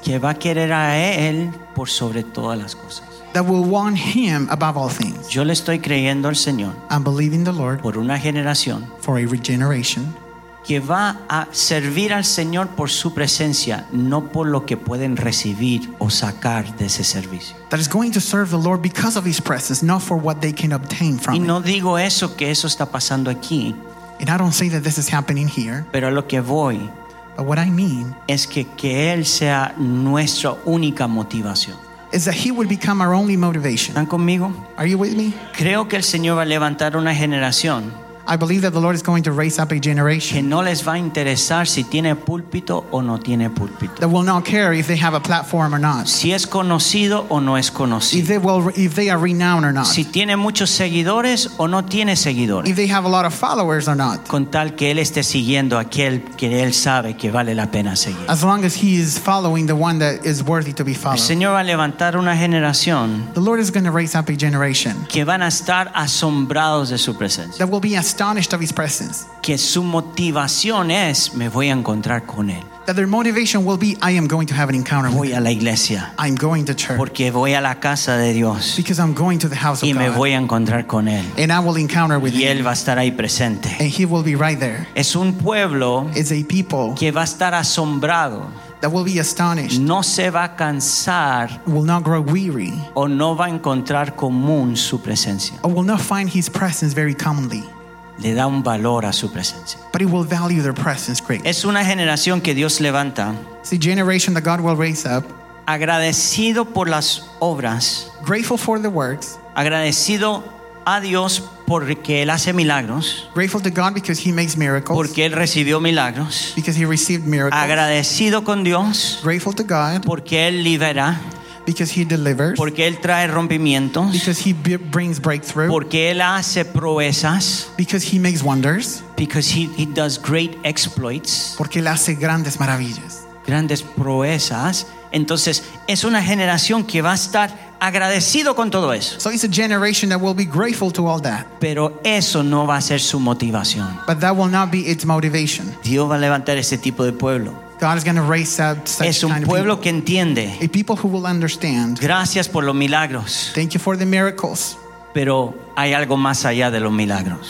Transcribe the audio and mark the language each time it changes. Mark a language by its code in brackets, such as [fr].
[es] Que va a querer a él por sobre todas las cosas. [en] That will want Him above all things. [es] Yo le estoy creyendo al Señor. [en] I'm believing the Lord. [es] Por una generación. [en] For a regeneration. [es] Que va a servir al Señor por su presencia, no por lo que pueden recibir o sacar de ese servicio. [en] That is going to serve the Lord because of His presence, not for what they can obtain from [es] Him. Y no digo eso, que eso está pasando aquí. [en] And I don't say that this is happening here. [es] Pero a lo que voy. [en] But what I mean [es] es que él sea nuestra única motivación. [en] Is that He will become our only motivation. [es] ¿Están conmigo? [en] Are you with me? [es] Creo que el Señor va a levantar una generación. [en] I believe that the Lord is going to raise up a generation. [es] Que no les va a interesar si tiene púlpito o no tiene púlpito. [en] That will not care if they have a platform or not. [es] Si es conocido o no es conocido. [en] If they are renowned or not. [es] Si tiene muchos seguidores o no tiene seguidores. [en] If they have a lot of followers or not. [es] Con tal que él esté siguiendo aquel que él sabe que vale la pena seguir. [en] As long as he is following the one that is worthy to be followed. [es] El Señor va a levantar una generación. [en] The Lord is going to raise up a generation. [es] Que van a estar asombrados de su presencia. [en] That will be astonished of His presence. [es] Que su motivación es, me voy a encontrar con él. [en] That their motivation will be, I am going to have an encounter [es] voy [en] with [es] him. A la iglesia. [en] I'm going to church. [es] Porque voy a la casa de Dios. [en] Because I'm going to the house [es] y [en] of God. [es] Y me voy a encontrar con él. [en] And I will encounter with [es] y [en] him. [es] Y él va a estar ahí presente. [en] And he will be right there. [es] Es un pueblo. [en] It's a people. [es] Que va a estar asombrado. [en] That will be astonished. [es] No se va a cansar. [en] Will not grow weary. [es] O no va a encontrar común su presencia. [en] Or will not find His presence very commonly. [es] Le da un valor a su presencia. [en] But it will value their presence greatly. [es] Es una generación que Dios levanta. [en] It's a generation that God will raise up. [es] Agradecido por las obras. [en] Grateful for the works. [es] Agradecido a Dios porque Él hace milagros. [en] Grateful to God because He makes miracles. [es] Porque Él recibió milagros. [en] Because He received miracles. [es] Agradecido con Dios. [en] Grateful to God. [es] Porque Él libera. [en] Because He delivers. [es] Porque él trae rompimientos. [en] Because He brings breakthrough. [es] Porque él hace proezas. [en] Because He makes wonders. Because he does great exploits. [es] Porque él hace grandes maravillas. Grandes proezas. Entonces es una generación que va a estar agradecido con todo eso. [en] So it's a generation that will be grateful to all that. [es] Pero eso no va a ser su motivación. [en] But that will not be its motivation. [es] Dios va a levantar ese tipo de pueblo. [en] God is going to raise up such [es] es un [en] kind of [es] pueblo [en] people. [es] Que entiende. [en] A people who will understand. [es] Gracias por los milagros. [en] Thank you for the miracles. [es] Pero hay algo más allá de los milagros.